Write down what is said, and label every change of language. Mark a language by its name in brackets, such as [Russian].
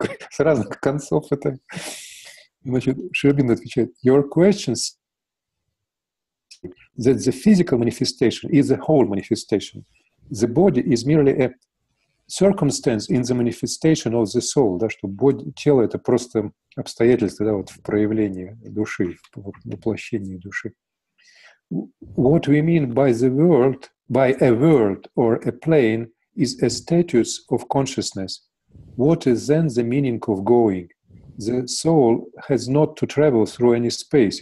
[Russian] С разных концов это. Значит, Шерабин отвечает, [English] your question that the physical manifestation is a whole manifestation. The body is merely a circumstance in the manifestation of the soul. [Russian] Да, что body, тело — это просто обстоятельство, да, вот, в проявлении души, в воплощении души. [English] What we mean by the world, by a world or a plane, is a status of consciousness. What is then the meaning of going? The soul has not to travel through any space.